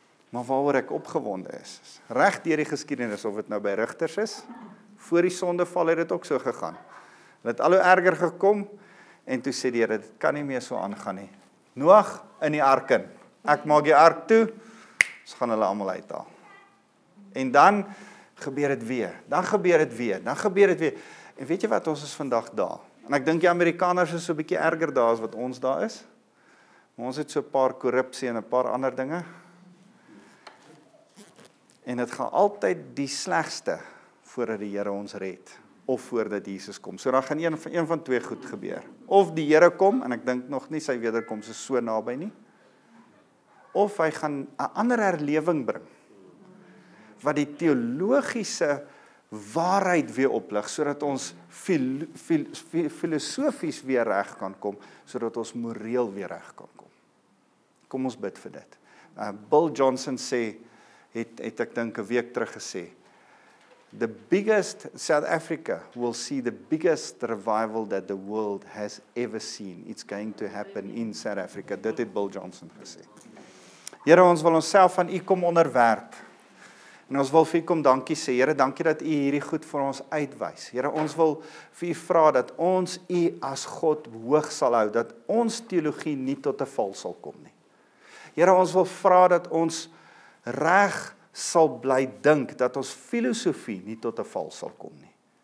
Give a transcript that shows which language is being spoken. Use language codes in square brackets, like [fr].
[af] Maar waaroor ek opgewonde is, reg deur die geskiedenis, of dit nou by rigters is, voor die sondeval het dit ook so gegaan. Het het al hoe erger gekom, en toe sê die Here, dit kan nie meer so aangaan nie. Noag, in die ark in. Ek maak die ark toe, ons gaan hulle allemaal uithaal. En dan gebeur het weer, dan gebeur het weer. En weet jy wat, ons is vandag daar. En ek dink die Amerikaners is so 'n bietjie erger daar as wat ons daar is. Maar ons het so 'n paar korrupsie en 'n paar ander dinge. En het gaan altyd die slegste voordat die Here ons red. Of voordat Jesus kom. So dan gaan een van twee goed gebeur. Of die Here kom, en ek dink nog nie sy wederkoms is so naby nie. Of hy gaan 'n ander herlewing bring. Wat die teologiese waarheid weer oplig, sodat ons filosofies weer reg kan kom, sodat ons moreel weer reg kan kom. Kom ons bid vir dit. Bill Johnson sê, het ek dink 'n week terug gesê, [en] the biggest, South Africa will see the biggest revival that the world has ever seen. It's going to happen in South Africa. [af] Dit het Bill Johnson gesê. Here, ons wil onsself aan u kom onderwerp. En ons wil vir u kom dankie sê. Here, dankie dat u hierdie goed vir ons uitwys. Here, ons wil vir u vra dat ons u as God hoog sal hou, dat ons teologie nie tot 'n val sal kom nie. Here, ons wil vra dat ons reg sal bly dink, dat ons filosofie nie tot 'n val sal kom nie.